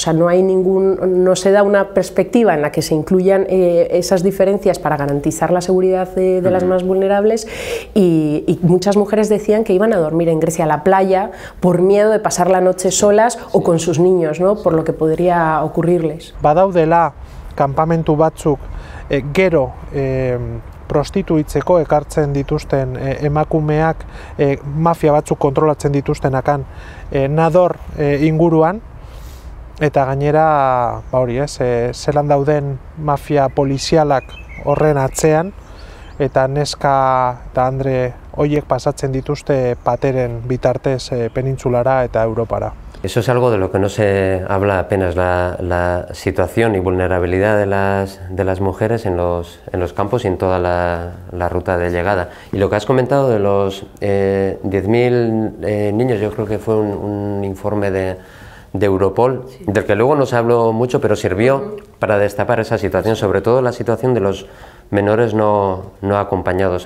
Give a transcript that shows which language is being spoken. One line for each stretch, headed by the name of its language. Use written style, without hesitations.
Spanish: O sea, no se da una perspectiva en la que se incluyan esas diferencias para garantizar la seguridad de las más vulnerables, y muchas mujeres decían que iban a dormir en Grecia a la playa por miedo de pasar la noche solas o con sus niños, ¿no? Por lo que podría ocurrirles.
Basque: Badaudela kanpamentu batzuk gero prostituitzeko ekartzen dituzten emakumeak, mafia batzuk kontrolatzen dituztenakan Nador inguruan, eta gainera zelan dauden mafia polizialak horren atzean, eta neska eta andre horiek pasatzen dituzte pateren bitartez penintzulara eta Europara.
Spanish: Eso es algo de lo que no se habla apenas, la situación y vulnerabilidad de las mujeres en los campos y en toda la ruta de llegada. Y lo que has comentado de los 10.000 niños, yo creo que fue un informe de Europol, sí, del que luego no se habló mucho, pero sirvió para destapar esa situación, sobre todo la situación de los menores no acompañados.